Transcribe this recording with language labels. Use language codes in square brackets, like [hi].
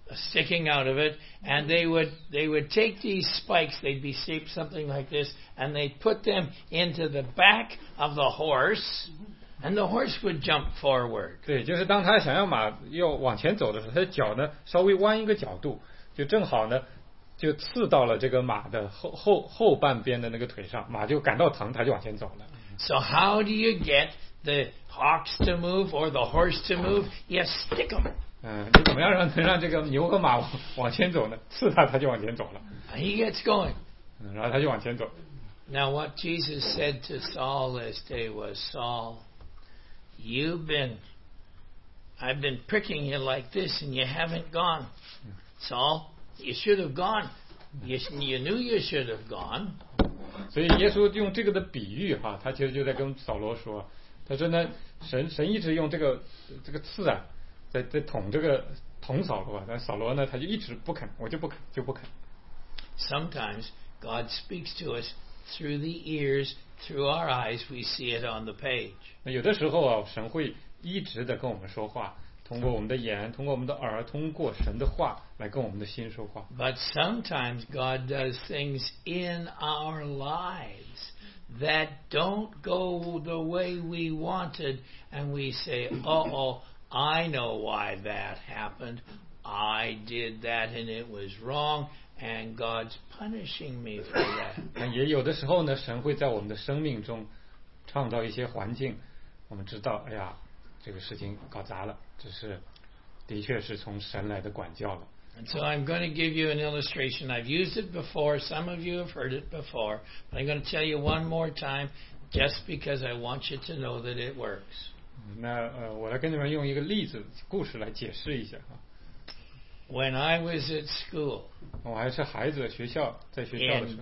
[en] Sticking out of it, and they would take these spikes, they'd be shaped something like this, and they'd put them into the back of the horse, and the horse would jump forward. [zh] 对，就是当他想要马要往前走的时候，他的脚呢稍微弯一个角度，就正好呢就刺到了这个马的后半边的那个腿上，马就感到疼，他就往前走了。 [en] So how do you get the ox to move or the horse to move? You stick them. [zh] 你怎么样能让这个牛和马往前走呢？刺他就往前走了。 [en] He gets going. [zh] 然后他就往前走。 [en] Now what Jesus said to Saul this day was, Saul, I've been pricking you like this and you haven't gone. Saul, you should have gone. You knew you should have gone. [zh] 所以耶稣用这个的比喻哈，他其实就在跟扫罗说，他说呢，神一直用这个刺啊。在捅这个捅扫罗，但扫罗呢，他就一直不肯，我就不肯，就不肯。 [en] Sometimes God speaks to us through the ears, through our eyes, we see it on the page. [zh] 那有的时候啊，神会一直的跟我们说话，通过我们的眼，通过我们的耳，通过神的话来跟我们的心说话。 [en] But sometimes God does things in our lives that don't go the way we wanted, and we say, "Uh-oh." I know why that happened. I did that and it was wrong, and God's punishing me for that. [zh] 那也有的时候呢，神会在我们的生命中创造一些环境，我们知道，哎呀，这个事情搞砸了，这是的确是从神来的管教了。 [en] And so I'm going to give you an illustration. I've used it before. Some of you have heard it before, but I'm going to tell you one more time, just because I want you to know that it works. [zh] 那我来跟你们用一个例子故事来解释一下啊。 [en] When I was at school， [zh] 我还是孩子，学校在学校的时候。